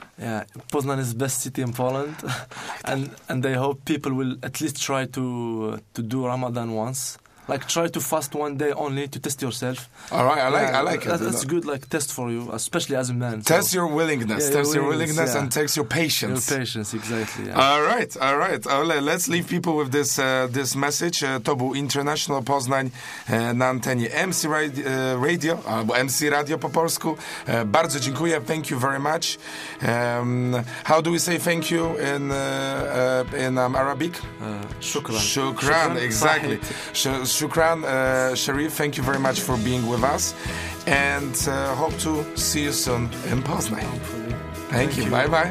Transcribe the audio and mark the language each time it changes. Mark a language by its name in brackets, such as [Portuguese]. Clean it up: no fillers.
[English] Yeah, Poznan is the best city in Poland. and I hope people will at least try to do Ramadan once. Like, try to fast one day only to test yourself. All right, I like it. That's a good, like, test for you, especially as a man. Test your willingness. Yeah, test your willingness and test your patience. Your patience, exactly, yeah. All right. [Polish] Ale, [English] let's leave people with this this message. [Polish] To był International Poznań na antenie MC Radio, albo MC Radio po polsku. Bardzo dziękuję. [English] Thank you very much. How do we say thank you in Arabic? [Arabic] Shukran, [English] exactly. Shukran, Cherif, thank you very much for being with us, and hope to see you soon in Poznań. Thank you. Bye-bye.